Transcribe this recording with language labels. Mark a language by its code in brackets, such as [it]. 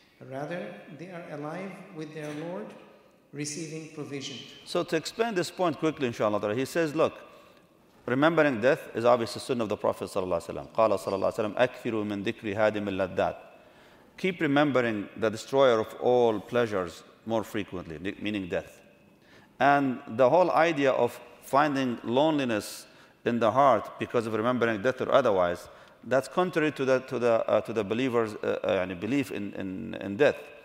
[en] Rather, they are alive with their Lord, receiving provision. So to explain this point quickly, inshallah, he says, look, remembering death is obviously the sunnah of the Prophet صلى الله عليه وسلم. [ar] قال صلى الله عليه وسلم أكثروا من ذكر هادم اللذات. [en] Keep remembering the destroyer of all pleasures more frequently, meaning death. And the whole idea of finding loneliness in the heart because of remembering death or otherwise, that's contrary to the believer's belief in death.